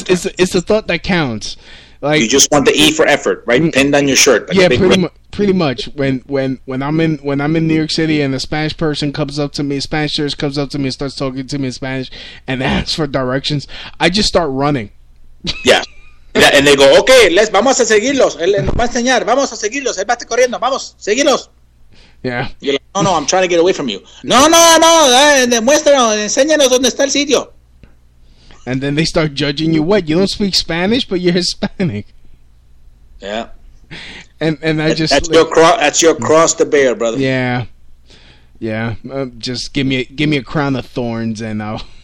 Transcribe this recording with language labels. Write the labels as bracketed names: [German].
[English] It's the thought that counts. Like you just want the E for effort, right? Pinned on your shirt. Like yeah, pretty much. When I'm in New York City and a Spanish person comes up to me, a Spanish tourist comes up to me, and starts talking to me in Spanish, and asks for directions, I just start running. Yeah. Yeah, and they go, okay, let's, [Spanish] vamos a seguirlos. Él nos va a enseñar, vamos a seguirlos. Él va a estar corriendo, vamos, seguirlos. [English] Yeah. You're like, no, I'm trying to get away from you. [Spanish] No, demuéstranos, enséñanos dónde está el sitio. [English] And then they start judging you. What, you don't speak Spanish, but you're Hispanic. Yeah. That's your cross to bear, brother. Yeah. Yeah, just give me a crown of thorns and I'll...